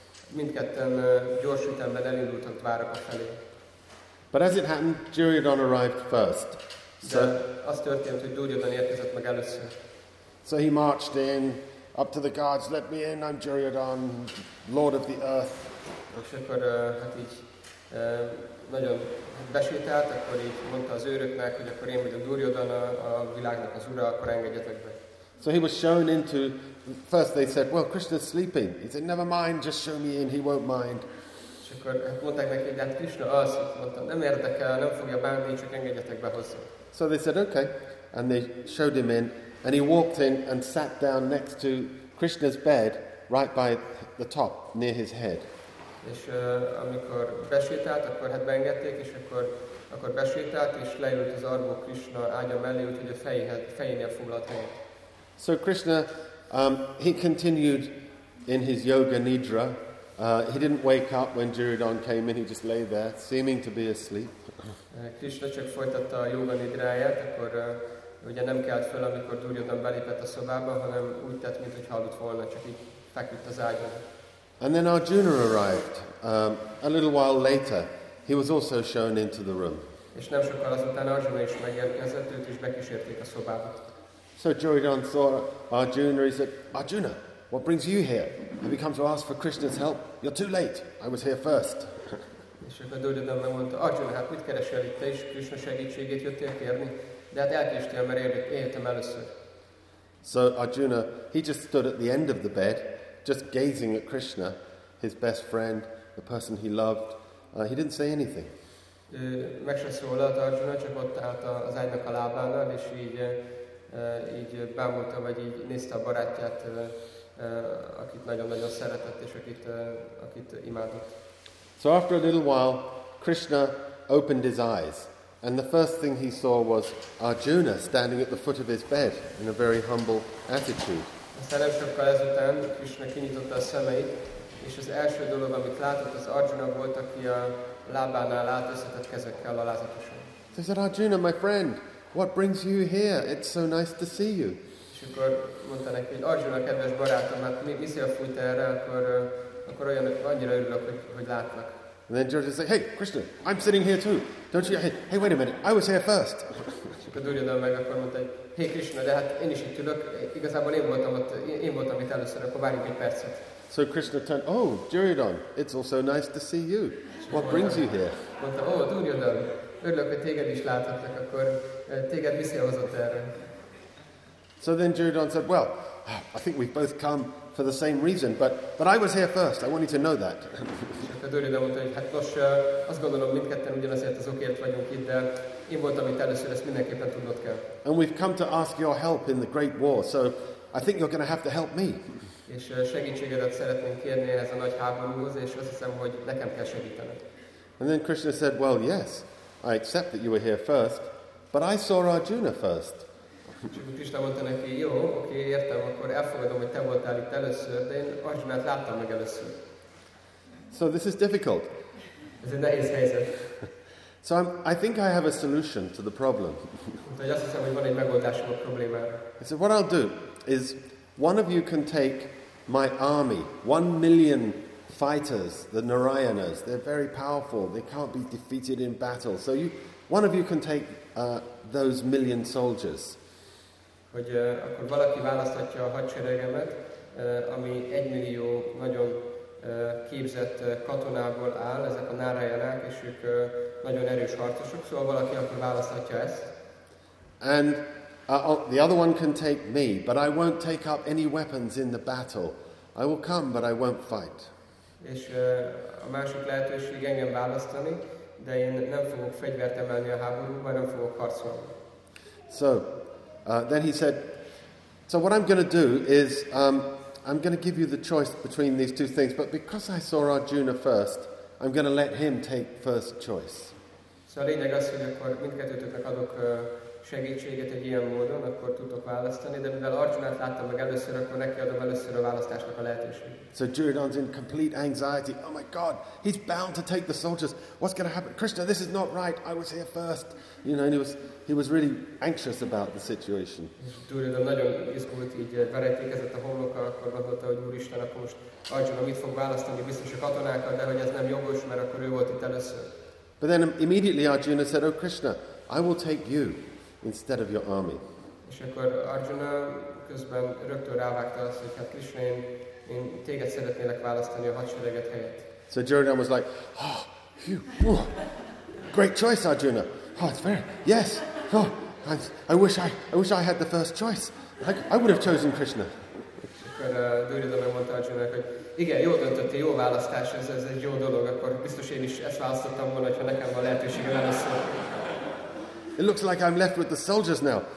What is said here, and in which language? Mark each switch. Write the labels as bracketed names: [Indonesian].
[Hungarian] Mindketten gyors ütemben elindultak Dwarka felé. [English] But as it happened, Duryodhana arrived first. [Hungarian] So, az történt, hogy Duryodhana érkezett meg először. [English] So he marched in, up to the guards, let me in, I'm Duryodhana, Lord of the Earth. [Hungarian] És akkor hát így nagyon besétált, akkor így mondta az őröknek, hogy akkor én vagyok Duryodhana, a világnak az ura, akkor engedjetek be. [English] So he was shown into, first they said, well, Krishna's sleeping. He said, never mind, just show me in, he won't mind. [Hungarian] És akkor mondták neki, hát Krishna az, mondta, nem érdekel, nem fogja bánni, csak engedjetek be hozzá. [English] So they said, okay, and they showed him in, and he walked in and sat down next to Krishna's bed, right by the top, near his head. [Hungarian] És amikor besétált, akkor hát beengedték, és akkor besétált, és leült az arvó Krishna ágya mellé, úgyhogy a fejénél foglalt helyet. [English] So Krishna, he continued in his yoga nidra. He didn't wake up when Duryodhana came in. He just lay there, seeming to be asleep. [Hungarian] Krishna csak folytatta a yoga nidráját, akkor ugye nem kelt fel, amikor Duryodhana belépett a szobába, hanem úgy tett, mint hogy aludt volna, csak így feküdt az ágyon. [English] And then Arjuna arrived. A little while later, he was also shown into the room. [Hungarian] És nem sokkal azután Arjuna is megérkezett, őt is bekísérték a szobába. [English] So Duryodhana saw Arjuna, he said, Arjuna, what brings you here? Have you come to ask for Krishna's help? You're too late. I was here first. [Hungarian] És akkor Duryodhana mondta, Arjuna, hát mit keresel itt, te is Krishna segítségét jöttél kérni? De hát elkéstél, mert éltem először. [English] So Arjuna, he just stood at the end of the bed, just gazing at Krishna, his best friend, the person he loved. He didn't say anything. [Hungarian] Meg se szólalt Arjuna, csak ott állt az ágynak a lábánál, és így bámulta, vagy így nézte a barátját, akit nagyon-nagyon szeretett, és akit imádott. [English] So after a little while, Krishna opened his eyes, and the first thing he saw was Arjuna standing at the foot of his bed in a very humble attitude. [Hungarian] Aztán nem sokkal ezután Krishna kinyitotta a szemeit, és az első dolog, amit látott, az Arjuna volt, aki a lábánál állt összetett kezekkel alázatosan. [English] So he said, Arjuna, my friend, what brings you here? It's so nice to see you. [Hungarian] És akkor mondta neki, hogy Arjuna, kedves barátom, hát mi szél fújt erre, akkor olyan, annyira örülök, hogy látlak. [English] And then Duryodhana said, hey, Krishna, I'm sitting here too. Don't you, hey, wait a minute, I was here first. [Hungarian] És akkor Duryodhana meg akkor mondta, hey, Krishna, de hát én is itt ülök, igazából én voltam itt először, akkor várjunk egy percet. [English] So Krishna turned, oh, Duryodhan, it's also nice to see you. What brings you here? [Hungarian] Mondta, oh, Duryodhan, örülök, hogy téged is láthatlak, akkor téged viszél hozott erre. [English] So then Duryodhan said, well, I think we've both come for the same reason, but I was here first, I want you to know that. [Hungarian] És akkor Duryodhan mondta, hogy hát nos, azt gondolom, mindketten ugyanazért az okért vagyunk itt, de én voltam itt először, ezt mindenképpen tudnod kell. [English] And we've come to ask your help in the great war, so I think you're going to have to help me. [Hungarian] És segítségedet szeretném kérni ehhez a nagy háborúhoz, és azt hiszem, hogy nekem kell segítened. [English] And then Krishna said, well, yes, I accept that you were here first, but I saw Arjuna first. [Hungarian] Krishna mondta neki, jó, oké, értem, akkor elfogadom, hogy te voltál itt először, de én Arjunát láttam meg először. [English] So this is difficult. [Hungarian] Ez egy nehéz helyzet. [English] So I think I have a solution to the problem. [Hungarian] Azt hiszem, hogy van egy megoldásom a problémára. [English] He said, what I'll do is one of you can take my army, 1 million fighters, the Narayanas. They're very powerful. They can't be defeated in battle. So you, one of you can take those million soldiers. [Hungarian] Hogy akkor valaki választhatja a hadseregemet, ami 1 millió nagyon képzett katonából áll, ezek a Narayanák, és ők nagyon erős harcosok, szóval valaki akkor választhatja ezt. [English] And the other one can take me, but I won't take up any weapons in the battle. I will come, but I won't fight. [Hungarian] És a másik lehetőség engem választani, de én nem fogok fegyvert emelni a háborúban, nem fogok harcolni. [English] So, then he said, so what I'm going to do is, I'm going to give you the choice between these two things, but because I saw Arjuna first, I'm going to let him take first choice. [Hungarian] So a lényeg az, hogy akkor mindkettőtöknek adok segítséget egy ilyen módon, akkor tudok választani, de mivel Arjunát láttam meg először, akkor neki adom először a választásnak a lehetőséget. [English] So Duryodhan's in complete anxiety. Oh my God, he's bound to take the soldiers. What's going to happen? Krishna, this is not right. I was here first. You know, and he was really anxious about the situation. [Hungarian] Duryodhan nagyon izgult, így verejtékezett a homloka, akkor gondolta, hogy Úristen, akkor most Arjuna mit fog választani, biztos a katonákkal, de hogy ez nem jogos, mert akkor ő volt itt először. [English] But then immediately Arjuna said, oh Krishna, I will take you instead of your army. [Hungarian] És akkor Arjuna közben rögtön rávágta azt, hogy hát Krishna, én téged szeretnélek választani a hadsereget helyett. [English] So Duryodhan was like, oh, phew, oh, great choice, Arjuna. Oh, it's very, yes, oh, I wish I had the first choice. I would have chosen Krishna. [Hungarian] És akkor Duryodhana mondta Arjunának, hogy igen, jó döntöttél, jó választás, ez egy jó dolog, akkor biztos én is ezt választottam volna, hogyha nekem van lehetőségem először. [English] It looks like I'm left with the soldiers now.